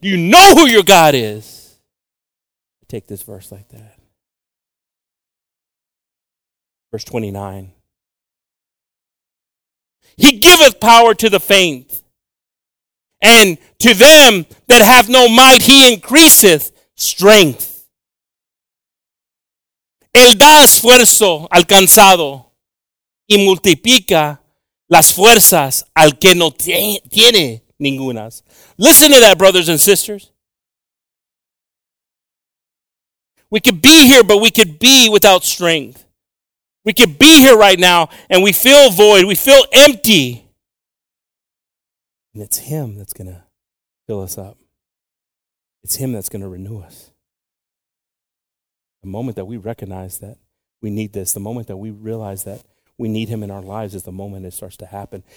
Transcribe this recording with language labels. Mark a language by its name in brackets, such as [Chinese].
[English] Do you know who your God is? I take this verse like that. Verse 29. He giveth power to the faint, and to them that have no might, he increaseth strength. [Spanish] Él da esfuerzo al cansado y multiplica las fuerzas al que no tiene ningunas. [English] Listen to that, brothers and sisters. We could be here, but we could be without strength. We could be here right now and we feel void. We feel empty. And it's him that's going to fill us up. It's him that's going to renew us. The moment that we recognize that we need this, the moment that we realize that we need him in our lives is the moment it starts to happen.